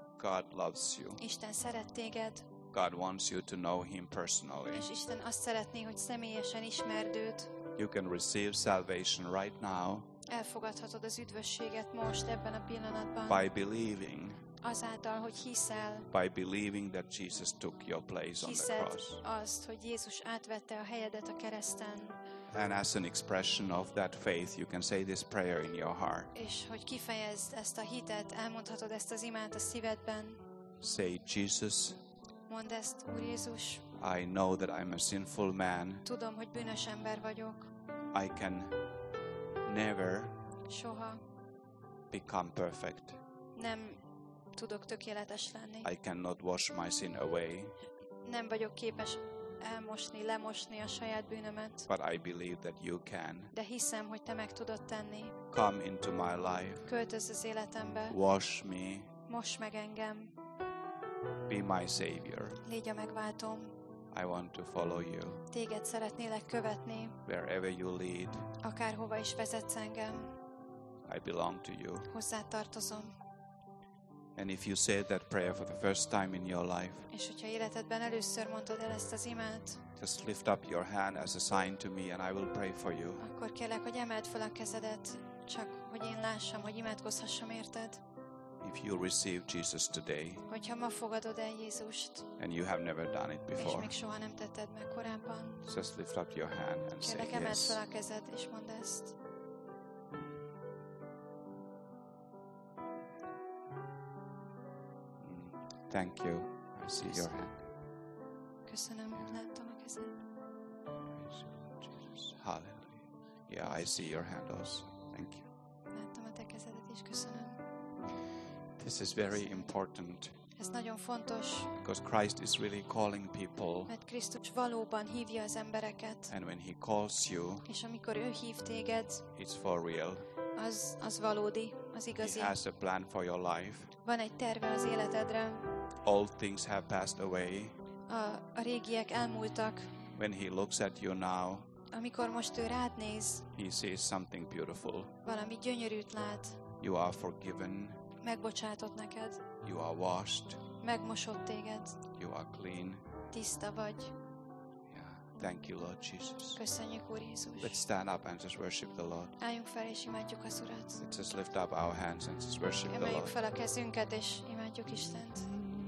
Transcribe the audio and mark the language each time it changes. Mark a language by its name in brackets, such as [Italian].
[English] God loves you. [Hungarian] Isten szeret téged. [English] God wants you to know Him personally. [Hungarian] És Isten azt szeretné, hogy személyesen ismerd őt. [English] You can receive salvation right now. [Hungarian] Elfogadhatod az üdvösséget most ebben a pillanatban. [English] By believing. [Hungarian] Azáltal, hogy hiszel. [English] By believing that Jesus took your place on the cross. [Hungarian] Hiszed azt, hogy Jézus átvette a helyedet a kereszten. [English] And as an expression of that faith, you can say this prayer in your heart. [Hungarian] És hogy kifejezd ezt a hitet, elmondhatod ezt az imát a szívedben. [English] Say, Jesus. [Hungarian] Mondd ezt, Úr Jézus. [English] I know that I'm a sinful man. [Hungarian] Tudom, hogy bűnös ember vagyok. [English] I can never [Hungarian] soha [English] become perfect. [Hungarian] Nem tudok tökéletes lenni. [English] I cannot wash my sin away. [Hungarian] Nem vagyok képes elmosni, lemosni a saját bűnömet. [English] But I believe that you can. [Hungarian] De hiszem, hogy te meg tudod tenni. [English] Come into my life. [Hungarian] Költözz az életembe. [English] Wash me. [Hungarian] Mosd meg engem. [English] Be my savior. [Hungarian] Légy a megváltóm. [English] I want to follow you. [Hungarian] Téged szeretnélek követni. [English] Wherever you lead. [Hungarian] Akárhova is vezetsz engem. [English] I belong to you. [Hungarian] Hozzád tartozom. [English] And if you said that prayer for the first time in your life, [Hungarian] és hogyha életedben először mondtad el ezt az imát, [English] just lift up your hand as a sign to me and I will pray for you. [Hungarian] Akkor kérlek, hogy emeld fel a kezedet, csak hogy én lássam, hogy imádkozhassam érted. [English] If you receive Jesus today, [Hungarian] hogyha ma fogadod el Jézust, [English] and you have never done it before, [Hungarian] és még soha nem tetted meg korábban, [English] just lift up your hand and say yes. [Hungarian] Emeld fel a kezed és mondd ezt. [English] Thank you. I see your hand. [Hungarian] Köszönöm, láttam a kezed. [English] Hallelujah. Yeah, I see your hand also. Thank you. [Hungarian] Láttam a te kezedet is, köszönöm. [English] This is very important. [Hungarian] Ez nagyon fontos. [English] Because Christ is really calling people. [Hungarian] Mert Krisztus valóban hívja az embereket. [English] And when he calls you, [Hungarian] és amikor ő hív téged, [English] it's for real. [Hungarian] Az valódi, az igazi. [English] He has a plan for your life. [Hungarian] Van egy terve az életedre. [English] All things have passed away. [Hungarian] A régiek elmúltak. [English] When he looks at you now, [Hungarian] amikor most ő rád néz, [English] he sees something beautiful. [Hungarian] Valami gyönyörűt lát. [English] You are forgiven. [Hungarian] Megbocsátott neked. [English] You are washed. [Hungarian] Megmosott téged. [English] You are clean. [Hungarian] Tiszta vagy. [English] Yeah. Thank you, Lord Jesus. [Hungarian] Köszönjük, Úr Jézus. [English] Let's stand up and just worship the Lord. [Hungarian] Álljunk fel és imádjuk az Urat. [English] Let's just lift up our hands and just worship the Lord. [Hungarian] Emeljük fel a kezünket és imádjuk Istent.